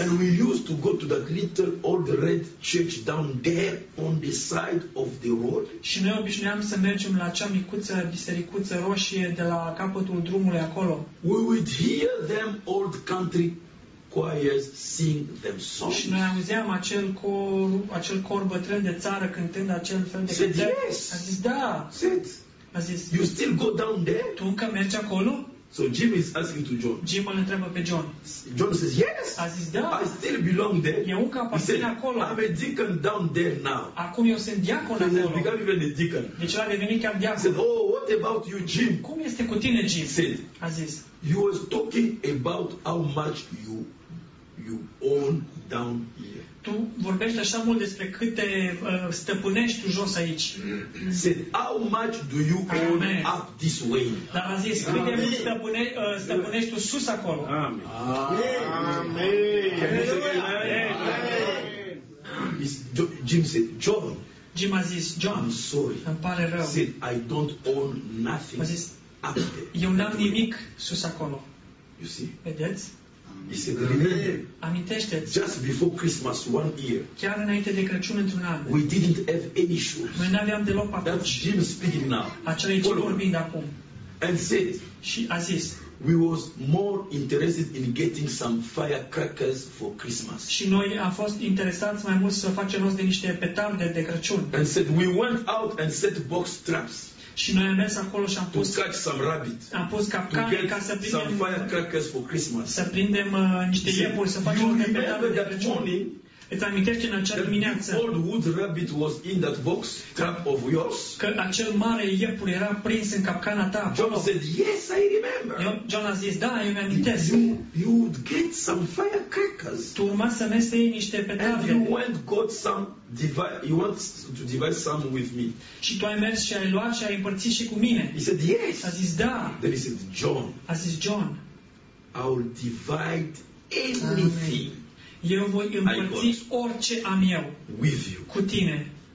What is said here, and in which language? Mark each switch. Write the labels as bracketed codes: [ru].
[en] And we used to go to that little old red church down there on the side of the road. [ro] Și noi obișnuiam să mergem la acea micuță bisericuță roșie de la capătul drumului acolo. [en] We would hear them old country choirs sing them songs. [ro] Și noi auzeam acel cor bătrân de țară cântând acel fel de cântări. [en] Said, yes. [ro] A zis, da. [en] Said, [ro] a zis, [en] you still go down there? [ro] Tu încă mergi acolo? [en] So Jim is asking to John. [ro] Jim îl întreabă pe John. [en] John says, yes. [ro] A zis, da. [en] I still belong there. [ro] Eu încă aparțin acolo. [en] I'm a deacon down there now. [ro] Acum eu sunt diacon acolo. [en] He says, become even a deacon. [ro] Deci l-a devenit chiar diacon. [en] He said, oh, what about you, Jim? [ro] Cum este cu tine, Jim? [en] Said, [ro] a zis, [en] you was talking about how much you own down here. [ro] Tu vorbești așa mult despre câte stăpânești tu jos aici. [en] Said, how much do you own up this way? [ro] Dar a zis, câte stăpânești tu sus acolo? [en] Amen. Jim said, John. [ro] Jim a zis, John, [en] I'm sorry. [ro] Îmi pare rău. [en] Said, I don't own nothing. [ro] A zis, [en] up there. [ro] Eu n-am nimic sus acolo. [en] You see? [ro] Vedeți? [en] He said, remember, [ro] amintește-ți, [en] just before Christmas, one year, [ro] chiar înainte de Crăciun, într-un an, [en] we didn't have any shoes. [ro] Noi n-aveam deloc patru. [en] That's Jim speaking now. [ro] Acela e Jim vorbind acum. [en] And said, [ro] și a zis, [en] we was more interested in getting some firecrackers for Christmas. [ro] Și noi am fost interesați mai mult să facem rost de niște petarde de Crăciun. [en] And said, we went out and set box traps. [ro] Și noi am mers acolo și am pus [en] catch some rabbit, [ro] am pus capcane ca să prindem [en] some firecrackers for Christmas. [ro] Să prindem niște iepuri, să facem un petard de Crăciun. Îți amintești în acea dimineață? [en] Old wood rabbit was in that box trap of yours. [ro] Că acel mare iepuri era prins în capcana ta. [en] John said, yes, I remember. [ro] John a zis, da, eu mi-amintesc. [en] You would get some firecrackers. [ro] Tu urma să mergi să iei niște petarde. [en] And you went got some divide, you want to divide some with me. [ro] Și tu ai mers și ai luat și ai împărțit și cu mine. [en] He said, yes. [ro] A zis, da. [en] Then he said, John. [ro] A zis, John. [en] I will divide anything. [ro] Eu voi împărți orice am eu [en] with you. [ro] Cu tine.